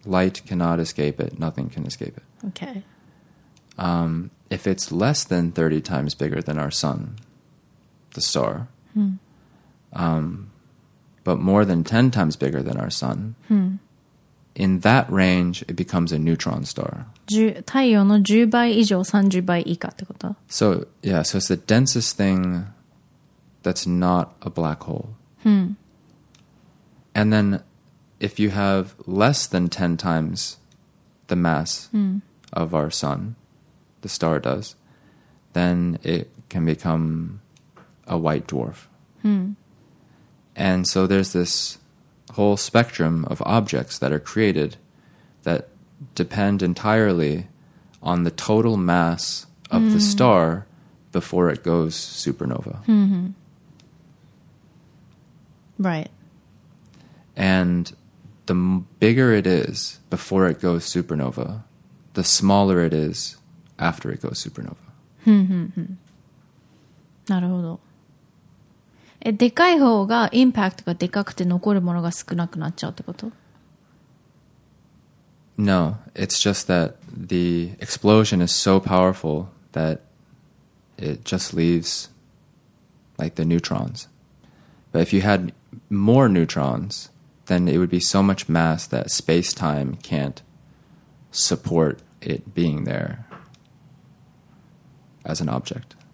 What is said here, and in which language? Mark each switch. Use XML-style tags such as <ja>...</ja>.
<en>Light cannot escape it. Nothing can escape it. Okay. If it's less than 30 times bigger than our sun, the star, but more than 10 times bigger than our sun, in that range, it becomes a neutron star.</en> <ja>太陽の10倍以上、30倍以下ってこと?</ja> <en>So, yeah, so it's the densest thing that's not a black hole. And then if you have less than 10 times the mass of our sun, the star does, then it can become a white dwarf. And so there's this whole spectrum of objects that are created that depend entirely on the total mass of the star before it goes supernova. Right. And the bigger it is before it goes supernova, the smaller it is after it goes supernova.</en> <ja>なるほど。え、でかい方がインパクトがでかくて残るものが少なくなっちゃうってこと?</ja> <en>No, it's just that the explosion is so powerful that it just leaves like the neutrons. But if you had more neutrons, then it would be so much mass that space-time can't support it being there as an object.</en>